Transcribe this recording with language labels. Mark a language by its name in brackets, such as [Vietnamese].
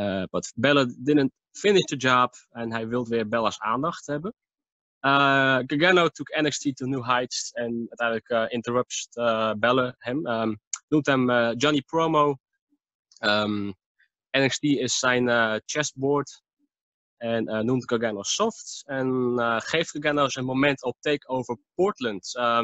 [English] But Balor didn't finish the job. [Dutch] En hij wilde weer Bella's aandacht hebben. [English] Gargano took NXT to new heights. [Dutch] En uiteindelijk interrupted Balor hem. Noemt hem Johnny Promo. NXT is zijn chessboard. En noemt Gargano soft. En geeft Gargano zijn moment op takeover Portland.